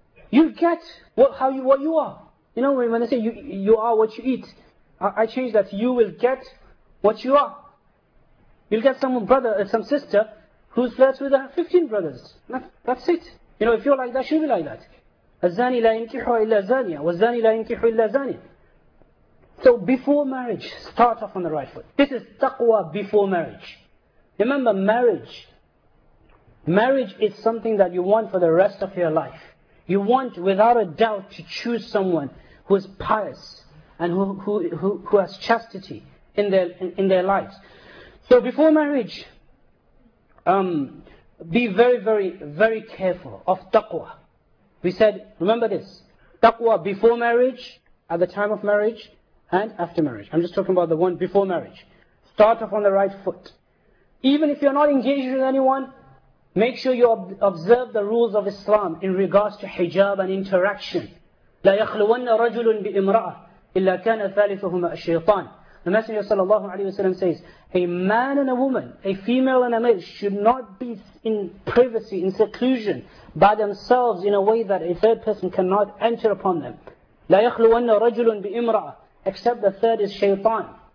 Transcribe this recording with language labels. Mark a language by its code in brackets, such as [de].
[en] You get what you are. You know, when they say you are what you eat, I change that. You will get what you are. You'll get some brother, some sister, who flirts with 15 brothers. That's it. You know, if you're like that, she'll be like that. [ar] الزاني لا ينكح إلا زانية والزاني لا ينكح إلا زانية. [en] So before marriage, start off on the right foot. This is taqwa before marriage. Remember, marriage is something that you want for the rest of your life. You want, without a doubt, to choose someone who is pious and who has chastity in their lives. So before marriage, be very, very, very careful of taqwa. We said, remember this, taqwa before marriage, at the time of marriage, and after marriage. I'm just talking about the one before marriage. Start off on the right foot. Even if you're not engaged with anyone, make sure you observe the rules of Islam in regards to hijab and interaction. [ar] لا يخلون رجل بإمرأة إلا كان ثالثهما الشيطان. [en] The Messenger sallallahu alaihi wasallam says, a man and a woman, a female and a male, should not be in privacy, in seclusion, by themselves in a way that a third person cannot enter upon them. [ar] لا يخلون رجل بإمرأة, [en] except the third is shaitan.